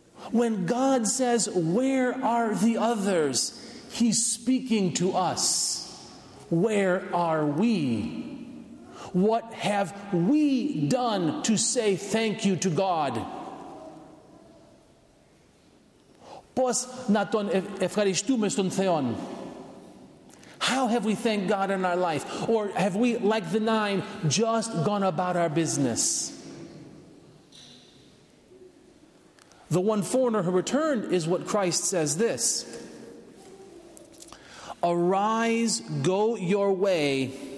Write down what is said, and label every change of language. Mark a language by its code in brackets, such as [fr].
[en] When God says, "Where are the others?" He's speaking to us. Where are we? What have we done to say thank you to God? [el] Πώς να τον ευχαριστούμε στον Θεό? [en] How have we thanked God in our life? Or have we, like the nine, just gone about our business? The one foreigner who returned is what Christ says this. Arise, go your way.